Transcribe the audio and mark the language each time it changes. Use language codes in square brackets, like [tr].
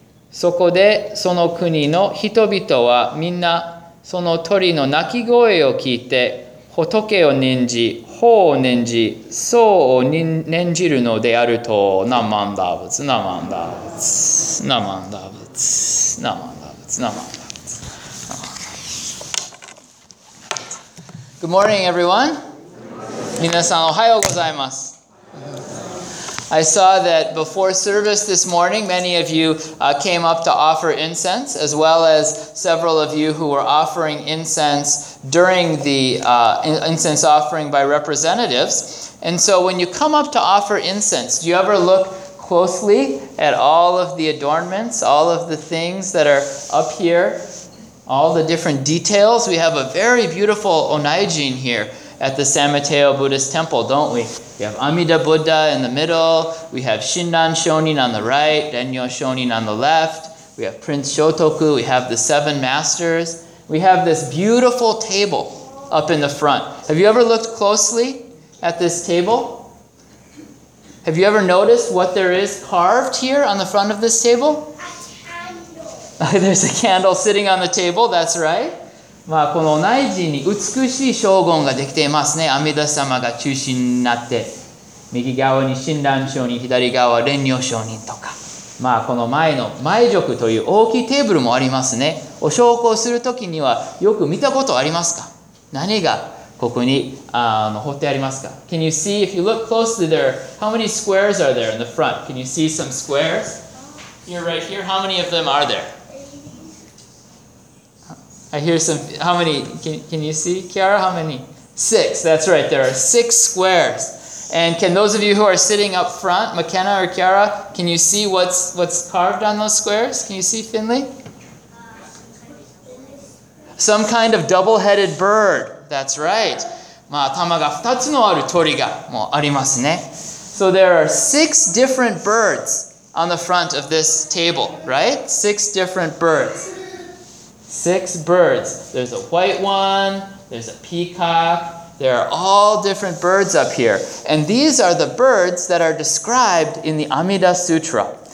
[ja] そこでその国の人々はみんなその鳥の鳴き声を聞いて仏を念じ、法を念じ、僧を念じるのであると、ナマンダブツ、ナマンダブツ、ナマンダブツ、ナマンダブツ、ナマンダブツ。 [en] Good morning, everyone. [ja] 皆さん、おはようございます。 [en] I saw that before service this morning, many of you came up to offer incense, as well as several of you who were offering incense during the incense offering by representatives. And so when you come up to offer incense, do you ever look closely at all of the adornments, all of the things that are up here, all the different details? We have a very beautiful onaijin here at the San Mateo Buddhist Temple, don't we? We have Amida Buddha in the middle. We have Shinran Shonin on the right, Denyo Shonin on the left. We have Prince Shotoku. We have the seven masters. We have this beautiful table up in the front. Have you ever looked closely at this table? Have you ever noticed what there is carved here on the front of this table? A candle. There's a candle sitting on the table, that's right. [ja] まあ、この内寺に美しい聖言ができていますね。阿弥陀様が中心になって右側に親鸞聖人、左側は蓮如聖人とか、まあ、この前の前塾という大きいテーブルもありますね。お焼香するときにはよく見たことありますか？何がここに彫ってありますか？ [en] Can you see, if you look closely there, how many squares are there in the front? Can you see some squares? You're right here, how many of them are there? I hear some, how many, can you see, Kiara, how many? Six, that's right, there are six squares. And can those of you who are sitting up front, McKenna or Kiara, can you see what's carved on those squares? Can you see, Finley? Some kind of double-headed bird, that's right. [ja] まあ、頭が二つのある鳥がもうありますね。 [en] So there are six different birds on the front of this table, right? Six different birds. Six birds. There's a white one, there's a peacock. There are all different birds up here. And these are the birds that are described in the Amida Sutra.